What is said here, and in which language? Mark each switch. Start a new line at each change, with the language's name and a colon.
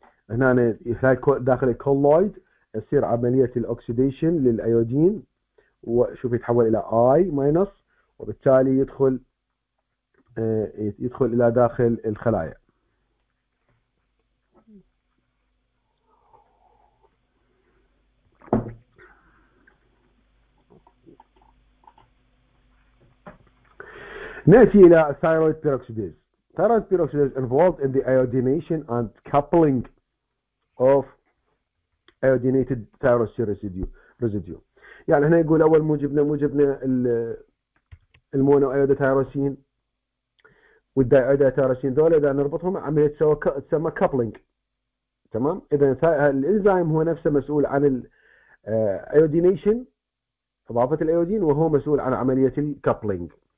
Arabic: هنا داخل الكولويد تصير عملية الأوكسيديشن للأيودين، وشوف يتحول إلى I ماينس، وبالتالي يدخل إلى داخل الخلايا. ناتي الى الثايرويد بيروكسيديز.
English: الثايرويد peroxidase involved in the iodination and coupling of iodinated tyrosine residue.
Arabic: يعني هنا يقول اول موجبنا المونو ايودا تايروسين والدي ايودا تايروسين، ذول اذا نربطهم عمليه تسمى coupling، تمام؟ اذا الانزيم هو نفسه مسؤول عن الايودينيشن، اضافه الايودين، وهو مسؤول عن عمليه الكابلينج.